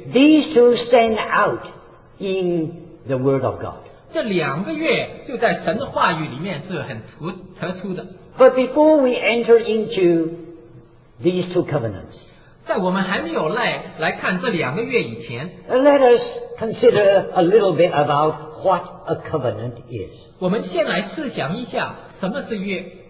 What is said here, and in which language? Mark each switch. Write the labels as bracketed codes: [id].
[en] These two stand out in the word of God. [zh] 这两个约就在神的话语里面是很突出的。 [en] But before we enter into these two covenants, [zh] 在我们还没有来看这两个月以前， [en] Let us consider a little bit about what a covenant is. [zh] 我们先来试想一下什么是约。